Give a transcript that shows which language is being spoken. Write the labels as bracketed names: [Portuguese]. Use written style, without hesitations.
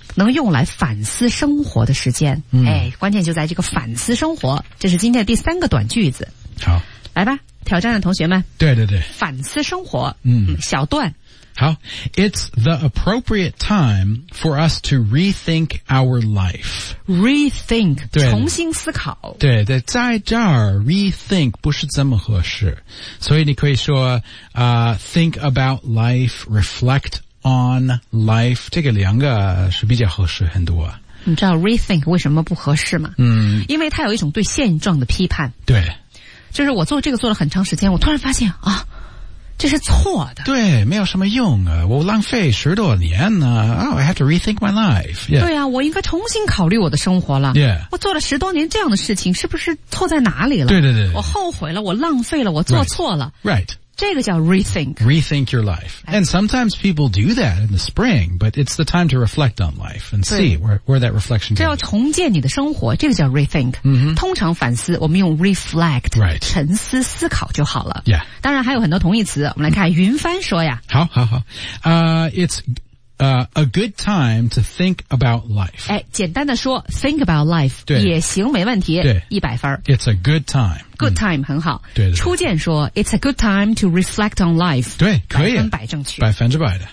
[Chinese] 能用来反思生活的时间、哎，关键就在这个反思生活这是今天的第三个短句子好来吧挑战的同学们对对对反思生活 小段 [English] 好 It's the appropriate time for us to rethink our life [Chinese] Rethink 重新思考对对在这儿 rethink 不是这么合适所以你可以说、 [English] think about life reflectOn life, [Chinese] 这个两个是比较合适很多。你知道 rethink 为什么不合适吗？因为它有一种对现状的批判。对。就是我做这个做了很长时间，我突然发现啊，这是错的。对，没有什么用啊，我浪费十多年呢、 [English] I have to rethink my life.、 [Chinese] 对啊，我应该重新考虑我的生活了。 [English] Yeah. [Chinese] 我做了十多年这样的事情，是不是错在哪里了？对对对。我后悔了，我浪费了，我做错了。 [English] Right. right. [Chinese] 这个叫 [English] rethink. Rethink your life. And sometimes people do that in the spring, but it's the time to reflect on life and see where that reflection goes. [Chinese] 这要重建你的生活，这个叫 [English] rethink. Mm-hmm. [Chinese] 通常反思，我们用 reflect,、 [English] right. [Chinese] 沉思思考就好了。 [English] Yeah. [Chinese] 当然还有很多同义词，我们来看云帆说呀。好好好。 [English] It's,a good time to think about life. [Chinese] 哎，简单的说 , [English] think about life, [Chinese] 对也行没问题，对 ,100分。 [English] It's a good time. Good time,、 [Chinese] 嗯、很好。对, 对, 对。初见说 [English] ,it's a good time to reflect on life. [Chinese] 对可以。百分百正确。百分之百的。